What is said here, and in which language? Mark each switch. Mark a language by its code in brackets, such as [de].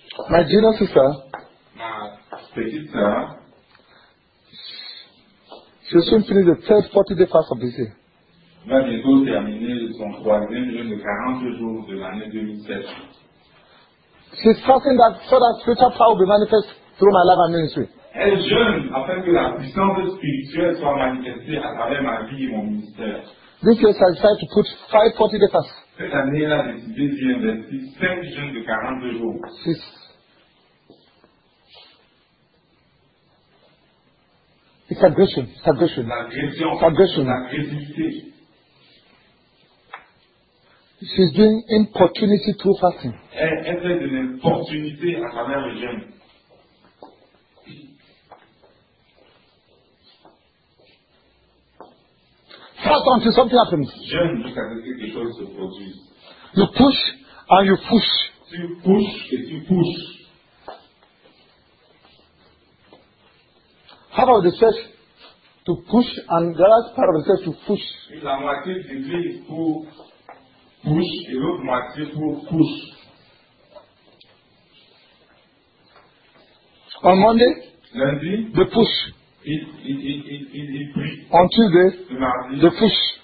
[en] My junior sister, she will soon finish the third 40-day fast of this year. [fr] Elle va bientôt terminer son troisième jeûne de 40 jours de l'année 2007. [en] She's fasting that so that spiritual power will be manifest through my life and ministry. [fr] Elle jeûne afin que la puissance spirituelle soit manifestée à travers ma vie et mon ministère. [en] This year, I decided to put 5 40-day fasts. [fr] Cette année-là, j'ai décidé d'y investir 5 jeûnes de 42 jours. 6. [en] It's aggression. It's aggression. [fr] L'agression. [en] It's aggression. [fr] L'agressivité. [en] She's doing importunity through fasting. [fr] Elle fait de l'importunité à travers le jeûne. [en] Fast until something happens. [fr] Jeûne jusqu'à ce que quelque chose se produise. [en] You push and you push. [fr] Tu push et tu push. [en] How about the church to push and the last part of the church to push? [fr] La moitié de l'église pour push et l'autre moitié pour push. [en] On Monday? [fr] Lundi? [en] The push. [fr] Il prie. [en] On Tuesday, [fr] le mardi, [en] the push.